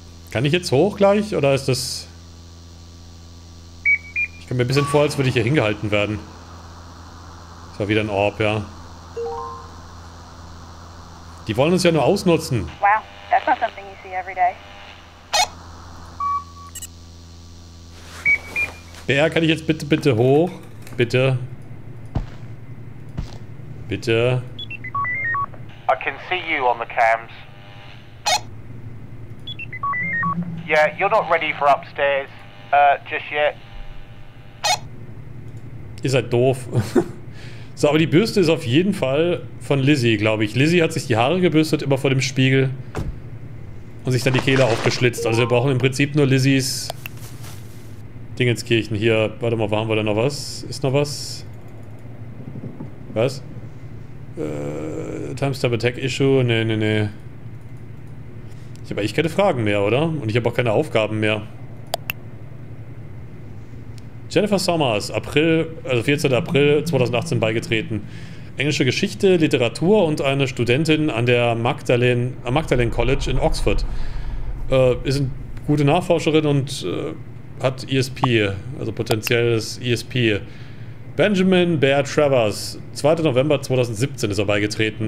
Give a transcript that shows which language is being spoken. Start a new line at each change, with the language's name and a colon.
German: Kann ich jetzt hoch gleich, oder ist das... Ich komme mir ein bisschen vor, als würde ich hier hingehalten werden. Das war wieder ein Orb, ja. Die wollen uns ja nur ausnutzen.
English: Wow, that's not something you see every day.
German: BR, kann ich jetzt bitte, bitte hoch? Bitte. Bitte.
English: I can see you on the cams. Yeah, you're not ready for upstairs, just yet.
German: Ist halt doof. So, aber die Bürste ist auf jeden Fall von Lizzie, glaube ich. Lizzie hat sich die Haare gebürstet, immer vor dem Spiegel. Und sich dann die Kehle aufgeschlitzt. Also wir brauchen im Prinzip nur Lizzies Dingenskirchen hier. Warte mal, wo haben wir denn noch was? Ist noch was? Was? Timestamp Attack Issue? Nee, nee, nee. Ich habe eigentlich keine Fragen mehr, oder? Und ich habe auch keine Aufgaben mehr. Jennifer Sommers, April, also 14. April 2018 beigetreten. Englische Geschichte, Literatur und eine Studentin an der Magdalene College in Oxford. Ist eine gute Nachforscherin und hat ESP, also potenzielles ESP. Benjamin Bear Travers, 2. November 2017 ist er beigetreten.